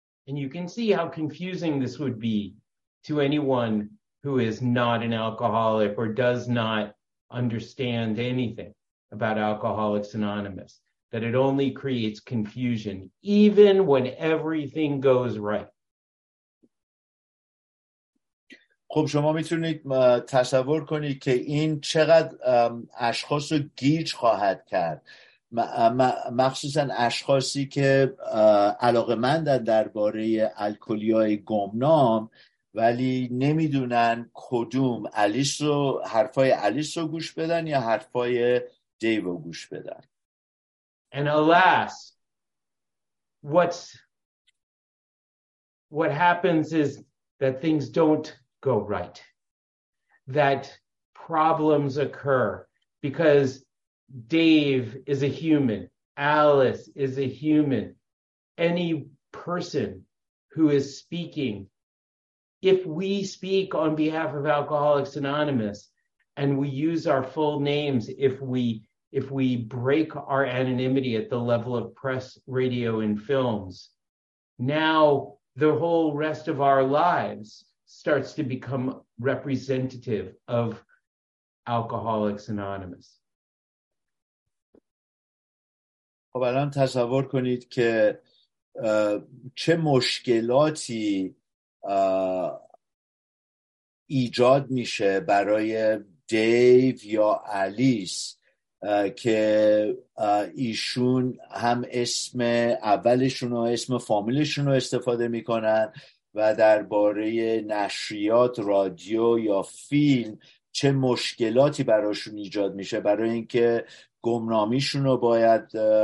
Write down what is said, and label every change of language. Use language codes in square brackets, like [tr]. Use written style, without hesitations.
[en] And you can see how confusing this would be to anyone who is not an alcoholic or does not understand anything about Alcoholics Anonymous, that it only creates confusion even when everything goes right. [fa] خب شما میتونید تصور کنید که این چقدر اشخاص رو گیج خواهد کرد، مخصوصا اشخاصی که علاقه مندن درباره الکلیای گمنام ولی نمیدونن کدوم آلیس رو، حرفای آلیس رو گوش بدن یا حرفای دیو رو گوش بدن. [en] And alas, what happens is that things don't go right. That problems occur because Dave is a human. Alice is a human. Any person who is speaking, if we speak on behalf of Alcoholics Anonymous and we use our full names, if we break our anonymity at the level of press, radio, and films, now the whole rest of our lives starts to become representative of Alcoholics Anonymous. [fa] خب الان تصور کنید که چه مشکلاتی ایجاد میشه برای دیو یا آلیس که ایشون هم اسم اولشون و اسم فامیلشون رو استفاده میکنن و درباره نشریات، رادیو یا فیلم چه مشکلاتی براشون ایجاد میشه برای اینکه گمنامیشون رو باید